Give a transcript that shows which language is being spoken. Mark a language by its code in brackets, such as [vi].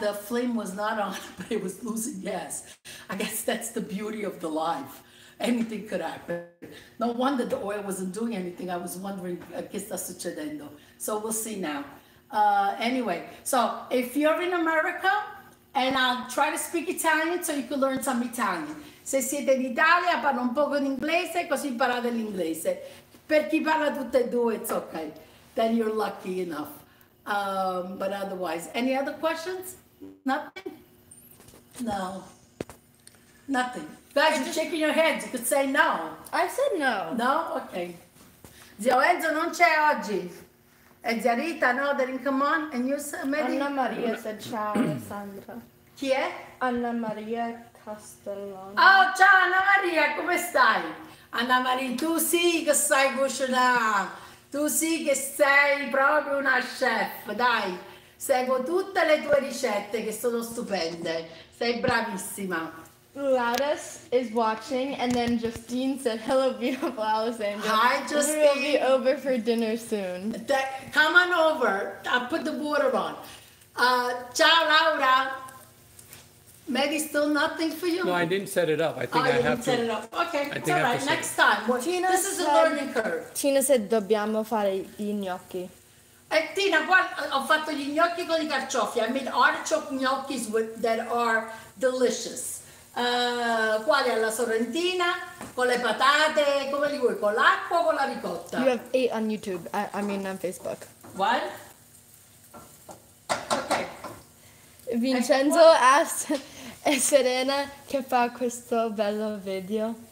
[en] The flame was not on, but it was losing gas. I guess that's the beauty of the life. Anything could happen. No wonder the oil wasn't doing anything. I was wondering, [it] che sta succedendo? [en] So we'll see now. Anyway, so if you're in America, and I'll try to speak Italian so you can learn some Italian. [it] Se siete in Italia, parlo un poco d'inglese, così imparate l'inglese. Per chi parla tutte e due, [en] it's okay. Then you're lucky enough. But otherwise, any other questions? Nothing? No. Nothing. Guys, you're shaking your heads. You could say no. I said no. No? Okay. [it] Zio Enzo non c'è oggi. [en] And Zia Rita, no, they didn't come on. And you said, maybe? Anna Maria said, ciao, Alessandra. [it] Chi è? Anna Maria Castellano. Oh, ciao, Anna Maria, come stai? Anna Maria, tu sì che sei cucina. Tu sì che sei proprio una chef, dai. Seguo tutte le tue ricette che sono stupende. Sei bravissima. [en] Laudis is watching, and then Justine said, hello, beautiful Alessandra. Hi, Justine. We will be over for dinner soon. Come on over. I'll put the water on. [it] Ciao, Laura. [en] Maybe still nothing for you? No, I didn't set it up. I think I have to. Oh, you didn't set it up. Okay, I think it's all right. Next time. Well, Tina, this is a learning curve. Tina said, [it] dobbiamo fare gli gnocchi. Tina, ho fatto gli gnocchi con I carciofi. [en] I made artichoke gnocchis that are delicious. [it] Quali alla sorrentina con le patate, come li vuoi, con l'acqua o con la ricotta? [en] You have 8 on YouTube, I mean on Facebook. What? Okay. Vincenzo asked, [it] è Serena che fa questo bello video?